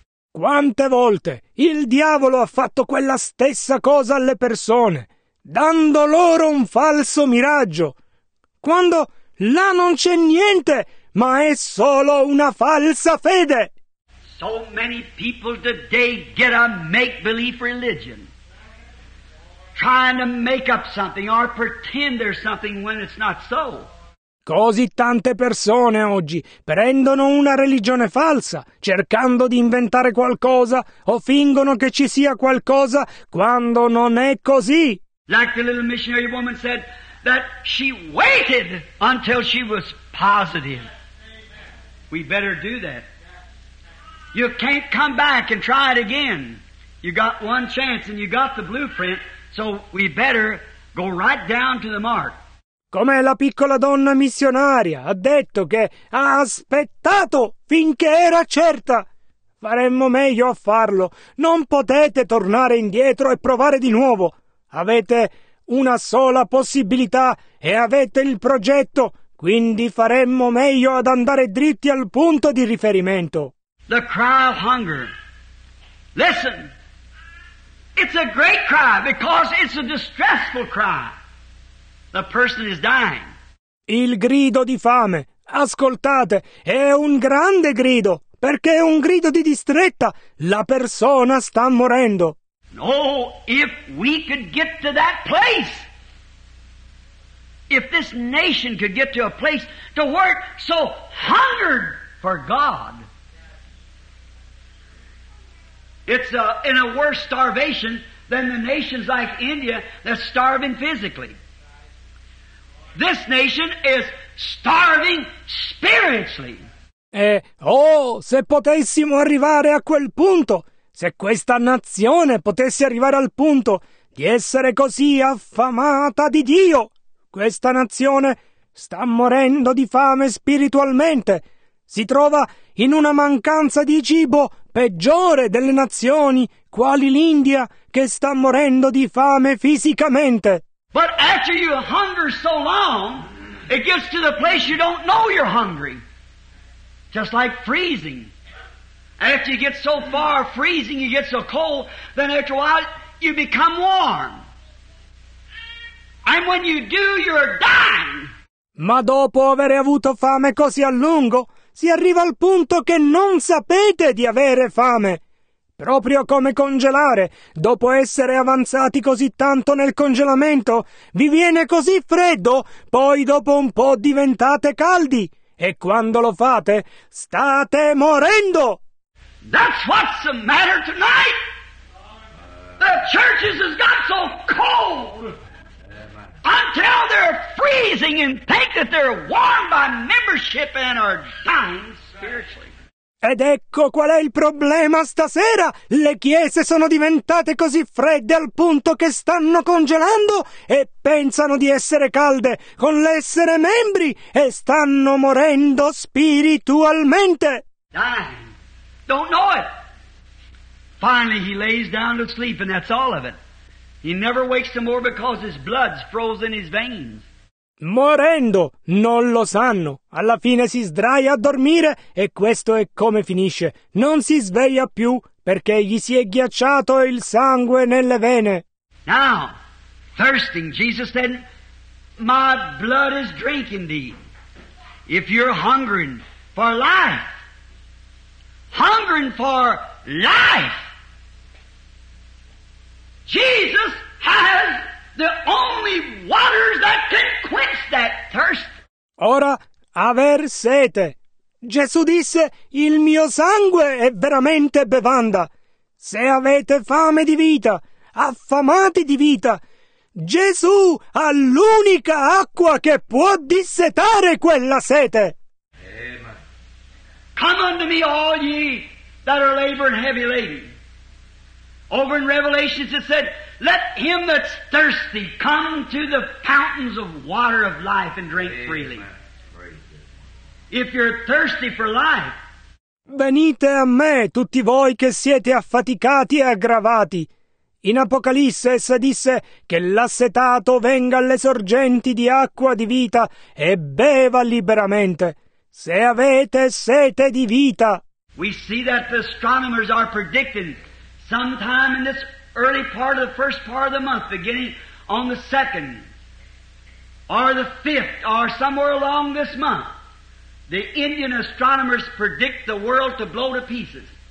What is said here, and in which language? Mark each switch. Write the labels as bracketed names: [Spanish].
[Italian] Quante volte il diavolo ha fatto quella stessa cosa alle persone, dando loro un falso miraggio, quando là non c'è niente, ma è solo una falsa fede. [English] So many people today get a make-believe religion, trying to make up something or pretend there's something when it's not so. [Italian] Così tante persone oggi prendono una religione falsa, cercando di inventare qualcosa, o fingono che ci sia qualcosa, quando non è così. [English] Like the little missionary woman said, that she waited until she was positive. We better do that. You can't come back and try it again. You got one chance and you got the blueprint, so we better go right down to the mark. [Italian] Come la piccola donna missionaria ha detto che ha aspettato finché era certa. Faremmo meglio a farlo. Non potete tornare indietro e provare di nuovo. Avete una sola possibilità e avete il progetto, quindi faremmo meglio ad andare dritti al punto di riferimento. [English] The cry of hunger. Listen. It's a great cry because it's a distressful cry. The person is dying. [Italian] Il grido di fame, ascoltate, è un grande grido, perché è un grido di distretta. La persona sta morendo. [English] No, if we could get to that place. If this nation could get to a place to work so hungered for God. It's in a worse starvation than the nations like India that's starving physically. This nation is starving spiritually. [Italian] Se potessimo arrivare a quel punto, se questa nazione potesse arrivare al punto di essere così affamata di Dio, questa nazione sta morendo di fame spiritualmente. Si trova in una mancanza di cibo peggiore delle nazioni, quali l'India, che sta morendo di fame fisicamente. [English] But after you hunger so long, it gets to the place you don't know you're hungry. Just like freezing. After you get so far freezing, you get so cold, then after a while, you become warm. And when you do, you're dying. [Italian] Ma dopo aver avuto fame così a lungo, si arriva al punto che non sapete di avere fame. Proprio come congelare, dopo essere avanzati così tanto nel congelamento, vi viene così freddo, poi dopo un po' diventate caldi. E quando lo fate, state morendo! [English] That's what's the matter tonight! The churches has got so cold! Until they're freezing and think that they're warm by membership and are dying spiritually. [Italian] Ed ecco qual è il problema stasera. Le chiese sono diventate così fredde al punto che stanno congelando e pensano di essere calde con l'essere membri e stanno morendo spiritualmente. [English] Dying. Don't know it. Finally he lays down to sleep and that's all of it. He never wakes no more because his blood's frozen in his veins. [Italian] Morendo, non lo sanno. Alla fine si sdraia a dormire e questo è come finisce. Non si sveglia più perché gli si è ghiacciato il sangue nelle vene. [English] Now, thirsting, Jesus said, my blood is drinking thee. If you're hungering for life, hungering for life, Jesus has the only waters that can quench that thirst. [Italian] Ora, aver sete. Gesù disse, il mio sangue è veramente bevanda. Se avete fame di vita, affamati di vita, Gesù ha l'unica acqua che può dissetare quella sete. [English] Amen. Come unto me all ye that are laboring heavy laden. Over in Revelation it said, let him that's thirsty come to the fountains of water of life and drink freely. If you're thirsty for life. [Italian] Venite a me, tutti voi che siete affaticati e aggravati. In Apocalisse essa disse che l'assetato venga alle sorgenti di acqua di vita e beva liberamente. Se avete sete di vita. [English] We see that the astronomers are predicting sometime in this early part of the first part of the month, beginning on the 2nd, or the 5th, or somewhere along this month, the Indian astronomers predict the world to blow to pieces.